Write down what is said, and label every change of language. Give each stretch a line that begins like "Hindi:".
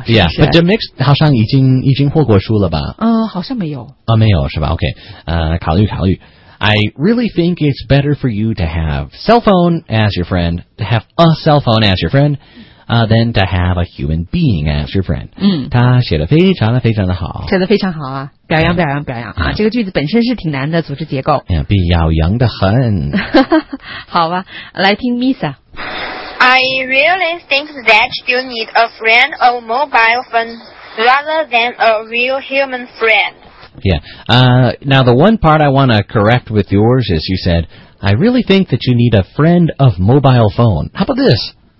English: Yeah, but
Chinese: Demixed 好像已经获过书了吧？好像没有。没有是吧 ？
English: Okay,
Chinese: 考虑。
English: I really think it's better for you to have cell phone as your friend, to have a cell phone as your friend, than to have a human being as your friend. 嗯，
Chinese: 他写的非常的非常的好，写的非常好啊，表扬表扬表扬啊！这个句子本身是挺难的组织结构，哎呀，比咬羊的很。好吧，来听 Misa。
English: I really think that you need a friend or mobile phone rather than a real human friend. Yeah. Now the one part I want to correct with yours is you said. I really think that you need a friend of mobile phone. How about this?